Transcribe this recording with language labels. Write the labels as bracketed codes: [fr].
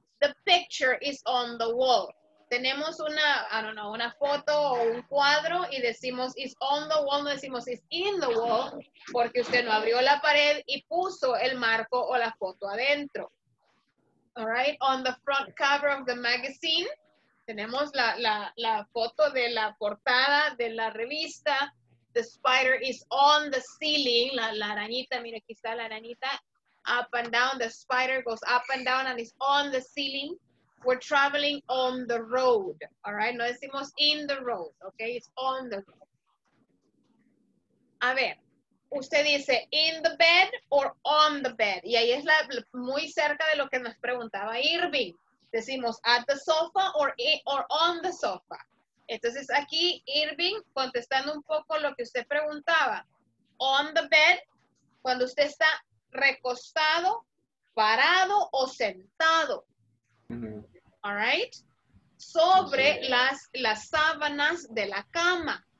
[en] The picture is on the wall. [es] Tenemos una, [en] I don't know, [es] una foto o un cuadro y decimos [en] is on the wall, [es] no decimos [en] is in the wall, [es] porque usted no abrió la pared y puso el marco o la foto adentro. [en] All right? On the front cover of the magazine. [es] Tenemos la foto de la portada de la revista. [en] The spider is on the ceiling. [es] La arañita, mira, aquí está la arañita. [en] Up and down, the spider goes up and down and is on the ceiling. We're traveling on the road. All right, [es] no decimos [en] in the road, okay? It's on the road. [es] A ver, usted dice [en] in the bed or on the bed. [es] Y ahí es muy cerca de lo que nos preguntaba Irving. Decimos [en] at the sofa or on the sofa. [es] Entonces aquí Irving contestando un poco lo que usted preguntaba. [en] On the bed, [es] cuando usted está recostado, parado o sentado. Mm-hmm. [en] All right? [es] Sobre las sábanas de la cama.